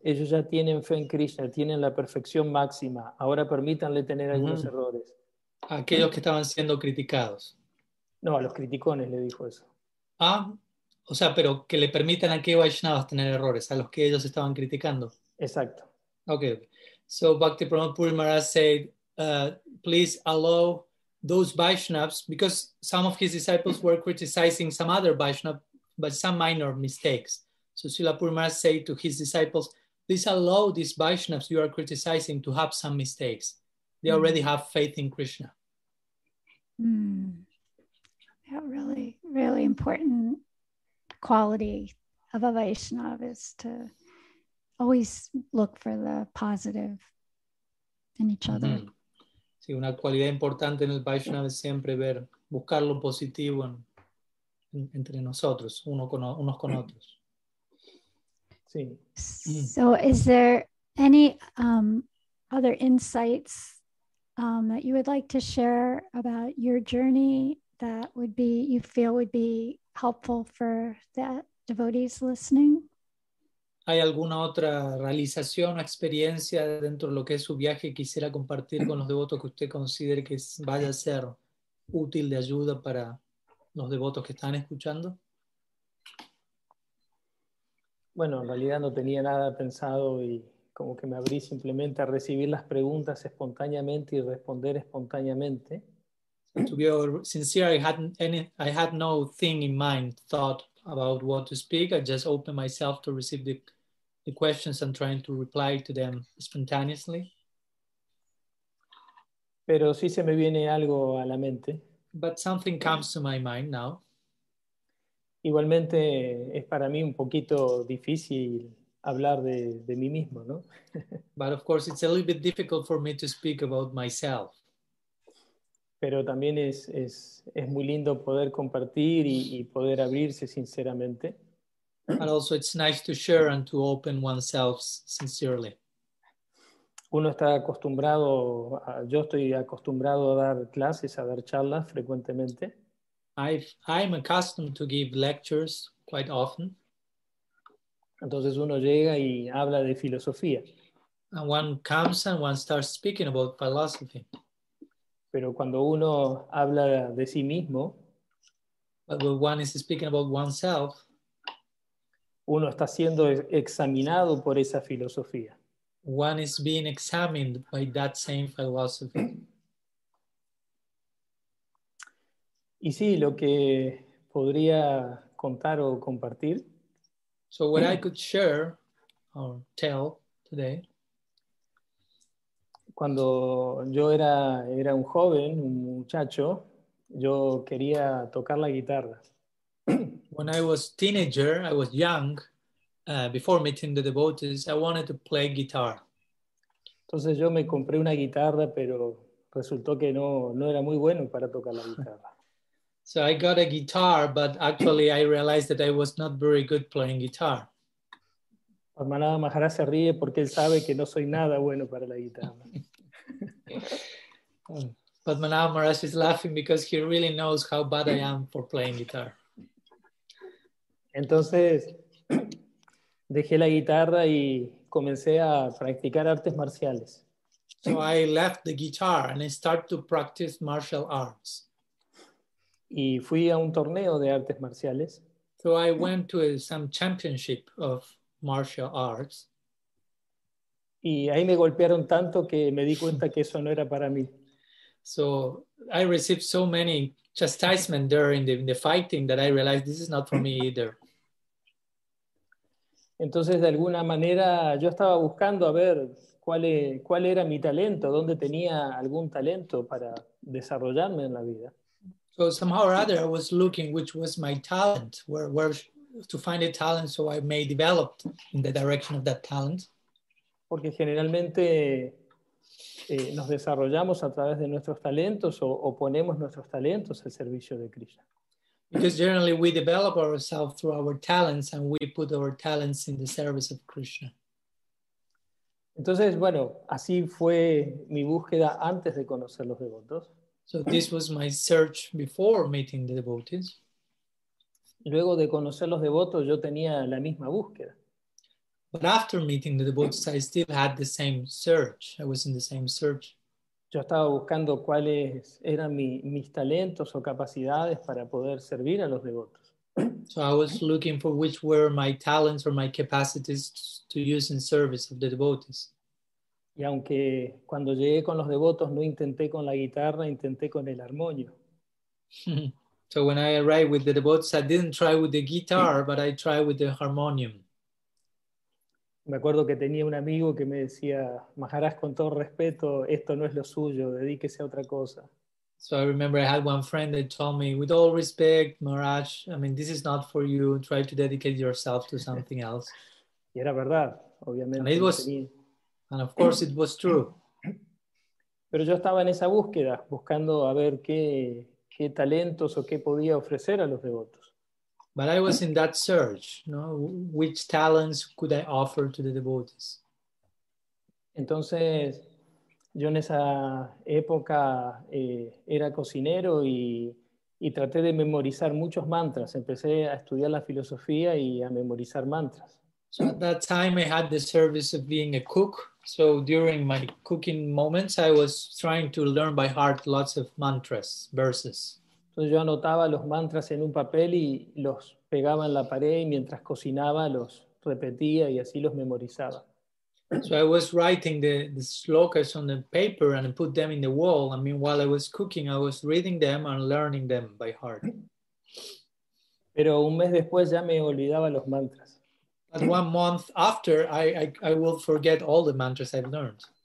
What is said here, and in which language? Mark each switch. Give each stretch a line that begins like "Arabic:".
Spanish: Ellos ya tienen fe en Krishna, tienen la perfección máxima. Ahora permítanle tener algunos uh-huh. errores. Aquellos que estaban siendo criticados. No, a los criticones le dijo eso. Ah, o sea, pero que le permitan a qué Vaishnavas tener errores, a los que ellos estaban criticando. Exacto.
English: Okay. So Bhakti Pramod Puri Maharaj said, please allow those Vaishnavas, because some of his disciples were criticizing some other Vaishnavas, but some minor mistakes. So Srila Puri Maharaj said to his disciples, please allow these Vaishnavas you are criticizing to have some mistakes. They already have faith in Krishna. Mm. Yeah, really, really important quality of a Vaishnava is to always look for the positive in each other.
Spanish: Sí, una cualidad importante en el Vaishnava es siempre ver, buscar lo positivo entre nosotros, unos con otros. Sí.
English: So is there any other insights that you would like to share about your journey that would be, you feel would be helpful for the devotees listening?
Spanish: ¿Hay alguna otra realización o experiencia dentro de lo que es su viaje que quisiera compartir con los devotos que usted considere que vaya a ser útil de ayuda para los devotos que están escuchando? Bueno, en realidad no tenía nada pensado y como que me abrí simplemente a recibir las preguntas espontáneamente y responder espontáneamente.
English: To be sincere, I had no thing in mind, thought about what to speak. I just opened myself to receive the questions and trying to reply to them spontaneously.
Spanish: Pero sí se me viene algo a la mente.
English: But something comes to my mind now.
Spanish: Igualmente es para mí un poquito difícil hablar de mí mismo, ¿no?
English: But of course it's a little bit difficult for me to speak about myself.
Spanish: Pero también es muy lindo poder compartir y poder abrirse sinceramente.
English: But also it's nice to share and to open oneself sincerely.
Spanish: Uno está acostumbrado, yo estoy acostumbrado a dar clases, a dar charlas frecuentemente.
English: I'm accustomed to give lectures quite often.
Spanish: Entonces uno llega y habla de filosofía.
English: And one comes and one starts speaking about philosophy.
Spanish: Pero cuando uno habla de sí mismo,
English: but when one is speaking about oneself,
Spanish: Uno está siendo examinado por esa filosofía.
English: One is being examined by that same philosophy.
Spanish: Y sí, lo que podría contar o compartir.
English: So what I could share or tell today.
Spanish: Cuando yo era un joven, un muchacho, yo quería tocar la guitarra.
English: When I was a teenager, I was young, before meeting the devotees, I wanted to play guitar.
Spanish: Entonces yo me compré una guitarra, pero resultó que no era muy bueno para tocar la guitarra.
English: So I got a guitar, but actually I realized that I was not very good playing guitar.
Spanish: Parmanabha Maharaj se ríe porque él sabe que no soy nada bueno para la guitarra.
English: Padmanabha Maharaj is laughing because he really knows how bad I am for playing guitar.
Spanish: Entonces, dejé la guitarra y comencé a practicar artes marciales.
English: So I left the guitar and I started to practice martial arts.
Spanish: Y fui a un torneo de artes marciales.
English: So I went to some championship of martial arts.
Spanish: Y ahí me golpearon tanto que me di cuenta que eso no era para mí.
English: So I received so many chastisement during the fighting that I realized this is not for me either.
Spanish: Entonces, de alguna manera, yo estaba buscando a ver cuál era mi talento, dónde tenía algún talento para desarrollarme en la vida.
English: So somehow or other, I was looking which was my talent, where to find a talent so I may develop in the direction of that talent.
Spanish: Porque generalmente nos desarrollamos a través de nuestros talentos o ponemos nuestros talentos al servicio de Krishna.
English: Because generally we develop ourselves through our talents and we put our talents in the service of Krishna.
Spanish: Entonces, bueno, así fue mi búsqueda antes de conocer los devotos.
English: So this was my search before meeting the devotees.
Spanish: Luego de conocer los devotos, yo tenía la misma búsqueda.
English: But after meeting the devotees, I still had the same search. I was in the same search.
Spanish: Yo estaba buscando cuáles eran mis talentos o capacidades para poder servir a los devotos.
English: So I was looking for which were my talents or my capacities to use in service of the devotees.
Spanish: Y aunque cuando llegué con los devotos no intenté con la guitarra, intenté con el armonio.
English: So when I arrived with the devotees, I didn't try with the guitar, but I tried with the harmonium.
Spanish: Me acuerdo que tenía un amigo que me decía, Maharaj, con todo respeto, esto no es lo suyo, dedíquese a otra cosa.
English: So I remember I had one friend that told me, with all respect, Maharaj, I mean, this is not for you, try to dedicate yourself to something else.
Spanish: Y era verdad, obviamente.
English: And, and of course it was true.
Spanish: Pero yo estaba en esa búsqueda, buscando a ver qué talentos o qué podía ofrecer a los devotos.
English: But I was in that search, you know, which talents could I offer to the devotees?
Spanish: Entonces, yo en esa época era cocinero y traté de memorizar muchos mantras. Empecé a estudiar la filosofía y a memorizar mantras.
English: So at that time I had the service of being a cook. So during my cooking moments I was trying to learn by heart lots of mantras, verses. Entonces yo anotaba los mantras en un papel y los pegaba en la pared y mientras cocinaba los repetía y así los memorizaba. So I was writing the slokas on the paper and I put them in the wall. I mean, while I was cooking, I was reading them and learning them by heart.
Spanish: Pero un mes después ya me olvidaba los mantras.
English: But one month after, I will forget all the mantras I've learned.